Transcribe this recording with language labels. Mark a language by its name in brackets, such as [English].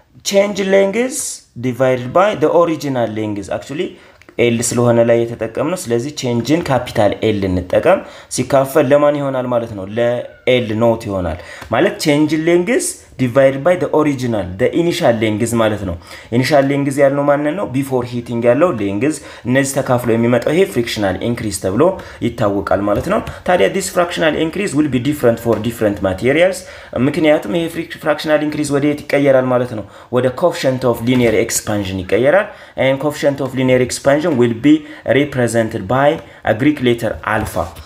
[English] change length divided by the original length actually l [Amharic] ስለሆነ ላይ የተጠቀምነው ስለዚህ [English] change in capital l [Amharic] እንጠቀም ሲካፈል ለማን ይሆናል ማለት [English] ነው ለ l ኖት ይሆናል ማለት change length divided by the original, the initial length is [Amharic] ማለት ነው. [English] Initial length [Amharic] ያለው ማን ነው? [English] Before heating [Amharic] ያለው length እነዚህ ተካፍሎ የሚመጣው ይሄ [English] frictional increase [Amharic] ተብሎ ይታወቃል ማለት ነው. [English] ታዲያ this fractional increase will be different for different materials. [Amharic] ምክንያቱም ይሄ [English] fractional increase [Amharic] ወዴት ይቀየራል ማለት ነው? [English] ወደ coefficient of linear expansion ይቀየራል. And coefficient of linear expansion will be represented by a Greek letter alpha.